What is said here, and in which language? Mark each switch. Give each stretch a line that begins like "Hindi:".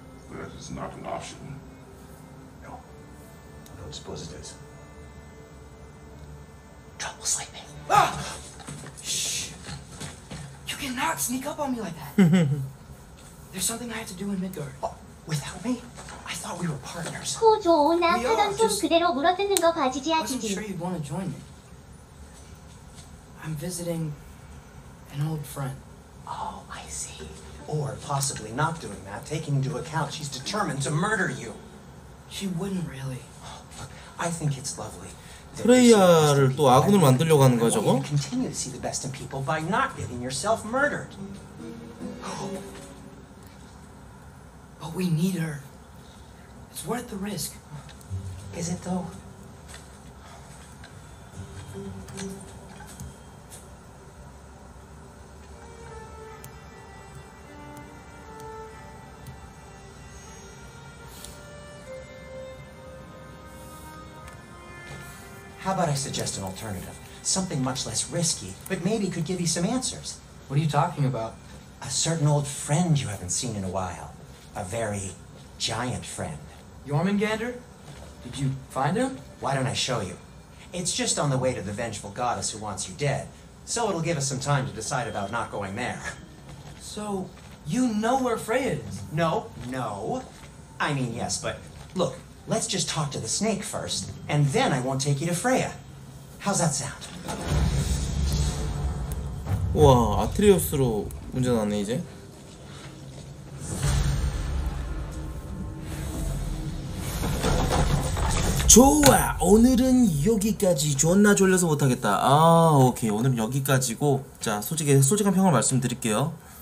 English: That is not an option. No. I don't suppose it is. Trouble sleeping. Ah! Shh! You cannot sneak up on me like that. There's something I have to do in Midgard. Oh, without me? I thought we were partners.
Korean: 후 좋으나 쓰던 손 그대로 물어뜯는 거 바지지 하시지.
English: I'm sure you'd want to join me. I'm visiting an old friend. Oh, I see. Or possibly not doing that, taking into account she's determined to murder you. She wouldn't really. Look, I think it's lovely.
Korean: 프레이야를 또 아군을 만들려고 하는 거죠, 저거?
English: You continue to see the best in people by not getting yourself murdered. But we need her. It's worth the risk. Is it though? How about I suggest an alternative? Something much less risky, but maybe could give you some answers. What are you talking about? A certain old friend you haven't seen in a while. A very giant friend. Jormungandr? Did you find him? Why don't I show you? It's just on the way to the vengeful goddess who wants you dead, so it'll give us some time to decide about not going there. So, you know where Freya is? No, no. I mean, yes, but look, let's just talk to the snake first, and then I won't take you to Freya. How's that sound?
Korean: 우와, 아트리우스로 운전하네 이제. 좋아, 오늘은 여기까지. 존나 졸려서 못하겠다. 아, 오케이, 오늘은 여기까지고. 자, 솔직한 평을 말씀드릴게요.